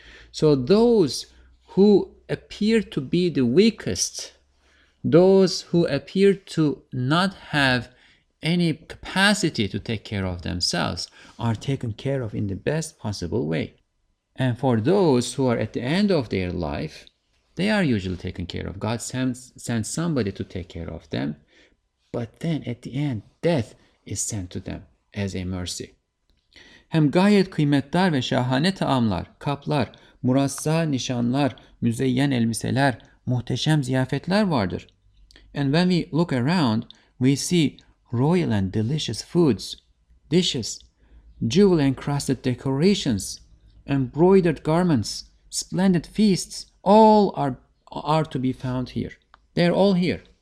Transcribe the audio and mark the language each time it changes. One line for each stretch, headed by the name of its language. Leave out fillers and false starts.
English: So those who appear to be the weakest, those who appear to not have any capacity to take care of themselves, are taken care of in the best possible way. And for those who are at the end of their life, they are usually taken care of. God sends somebody to take care of them, but then at the end, death is sent to them as a mercy.
Turkish: Hem gayet kıymetdar ve şahane taamlar, kaplar, murassa nişanlar, müzeyyen elbiseler, muhteşem ziyafetler vardır.
English: And when we look around, we see royal and delicious foods, dishes, jewel encrusted decorations, embroidered garments, splendid feasts, all are to be found here. They are all here.